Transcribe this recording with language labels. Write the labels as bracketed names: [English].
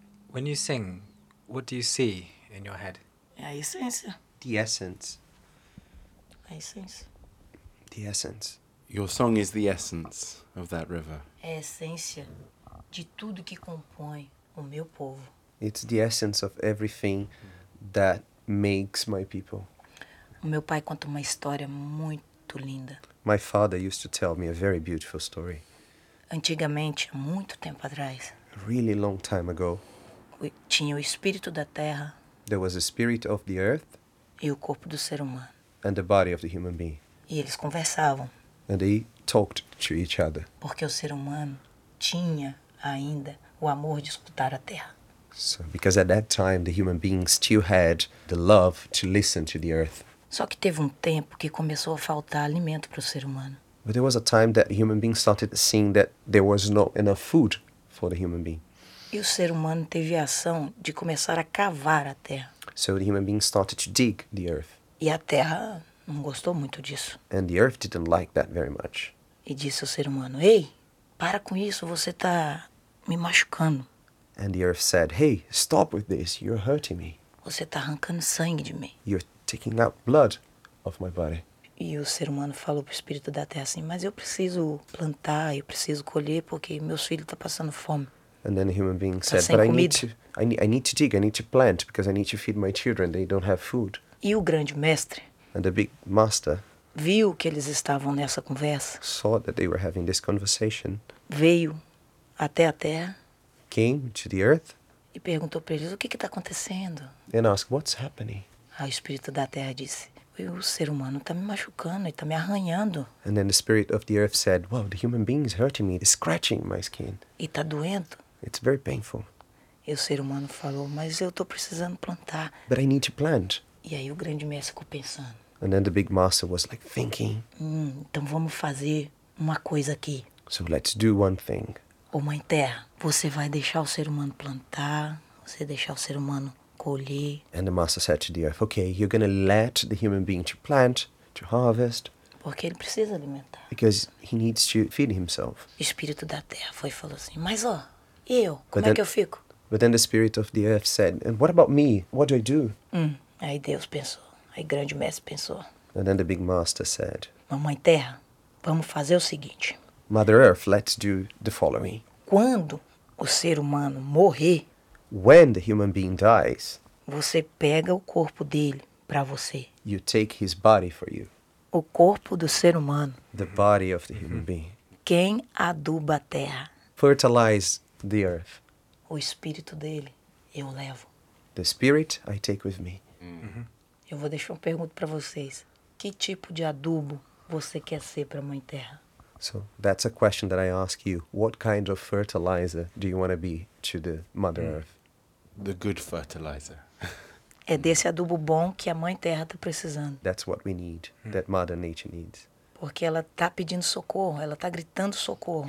[English] When you sing, what do you see in your head? I sense. The essence. I sense. The essence. Your song is the essence of that river. [Portuguese] É essência de tudo que compõe o meu povo. [English] It's the essence of everything that makes my people. [Portuguese] O meu pai conta uma história muito linda. [English] My father used to tell me a very beautiful story. [Portuguese] Antigamente, muito tempo atrás. [English] Really long time ago. [Portuguese] Tinha o espírito da terra. [English] There was a spirit of the earth. [Portuguese] E o corpo do ser humano. [English] And the body of the human being. [Portuguese] E eles conversavam. [English] And they talked to each other. [Portuguese] Porque o ser humano tinha ainda o amor de escutar a terra. [English] So, because at that time the human being still had the love to listen to the earth. [Portuguese] Só que teve um tempo que começou a faltar alimento para o ser humano. [English] But there was a time that human being started seeing that there was not enough food for the human being. [Portuguese] E o ser humano teve a ação de começar a cavar a terra. [English] So the human being started to dig the earth. [Portuguese] E a terra não gostou muito disso. [English] And the earth didn't like that very much. [Portuguese] E disse ao ser humano, ei, para com isso, você está me machucando. [English] And the earth said, hey, stop with this, you're hurting me. [Portuguese] Você está arrancando sangue de mim. [English] You're taking out blood of my body. [Portuguese] E o ser humano falou para o espírito da terra assim, mas eu preciso plantar, eu preciso colher, porque meus filhos estão passando fome. [English] And then a human being said, but I need to dig, I need to plant, because I need to feed my children, they don't have food. [Portuguese] E o grande mestre, [English] and the big master, [Portuguese] viu que eles estavam nessa conversa, [English] saw that they were having this conversation, [Portuguese] veio até a terra, [English] came to the earth, [Portuguese] e perguntou para eles, o que está acontecendo? [English] And asked, what's happening? [Portuguese] Aí o espírito da terra disse, o ser humano está me machucando, está me arranhando. [English] And then the spirit of the earth said, wow, the human being is hurting me, it's scratching my skin. [Portuguese] E está doendo. [English] It's very painful. [Portuguese] E o ser humano falou, mas eu estou precisando plantar. [English] But I need to plant. [Portuguese] E aí o grande mestre ficou pensando. [English] And then the big master was like thinking. [Portuguese] Então vamos fazer uma coisa aqui. [English] So let's do one thing. [Portuguese] Ô Mãe Terra, você vai deixar o ser humano plantar, você deixar o ser humano... [English] And the master said to the earth, okay, you're going to let the human being to plant, to harvest. [Portuguese] Porque ele precisa alimentar. [English] Because he needs to feed himself. [Portuguese] O espírito da terra foi e falou assim, mas ó, e eu, como then, é que eu fico? [English] But then the spirit of the earth said, and what about me? What do I do? [Portuguese] Aí Deus pensou, aí grande mestre pensou. [English] And then the big master said, [Portuguese] Mamãe Terra, vamos fazer o seguinte. [English] Mother Earth, let's do the following. [Portuguese] Quando o ser humano morrer, [English] when the human being dies, [Portuguese] você pega o corpo dele para você. [English] You take his body for you. [Portuguese] O corpo do ser humano. [English] The body of the human being. [Portuguese] Quem aduba a terra? [English] Fertilize the earth. [Portuguese] O espírito dele eu levo. [English] The spirit I take with me. [Portuguese] Eu vou deixar uma pergunta para vocês. Que tipo de adubo você quer ser para a Mãe Terra? [English] So that's a question that I ask you. What kind of fertilizer do you want to be to the Mother Earth? The good fertilizer. [Portuguese] É desse adubo bom que a Mãe Terra está precisando. [English] That's what we need, that Mother Nature needs. [Portuguese] Porque ela está pedindo socorro, ela está gritando socorro.